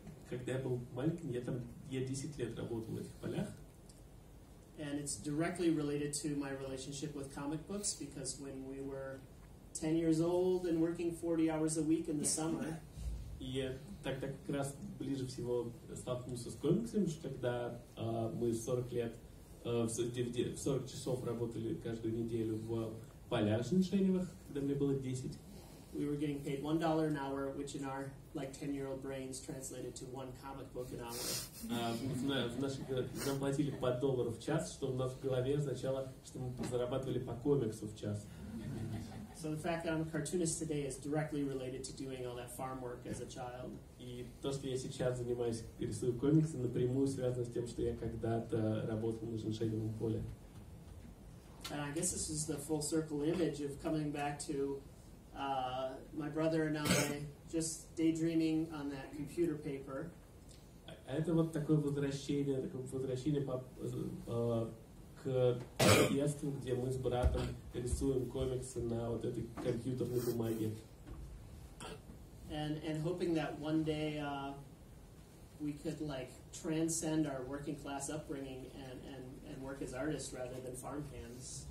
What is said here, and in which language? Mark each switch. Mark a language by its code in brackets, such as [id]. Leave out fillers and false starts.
[ru] Когда я был маленьким, я 10 лет работал в этих полях. [en] And it's directly related to my relationship with comic books, because when we were 10 years old and working 40 hours a week in the summer. [ru] И тогда как раз ближе всего столкнулся с комиксами, что когда мы 40 лет, 40 часов работали каждую неделю в полях женьшеневых, когда мне было 10. [en] We were getting paid $1 an hour, which in our like 10-year-old brains translated to one comic book an hour. [ru] Нам платили по доллару в час, что у нас в голове означало, что мы зарабатывали по комиксу в час. [en] So the fact that I'm a cartoonist today is directly related to doing all that farm work as a child. [ru] И то, что я сейчас занимаюсь, рисую комиксы, напрямую связано с тем, что я когда-то работал на женьшеневом поле. [en] And I guess this is the full circle image of coming back to my brother and I just daydreaming on that computer paper. [ru] Это вот такое возвращение к детству, где мы с братом рисуем комиксы на вот этой компьютерной бумаге. [en] And hoping that one day we could like transcend our working class upbringing and work as artists rather than farmhands.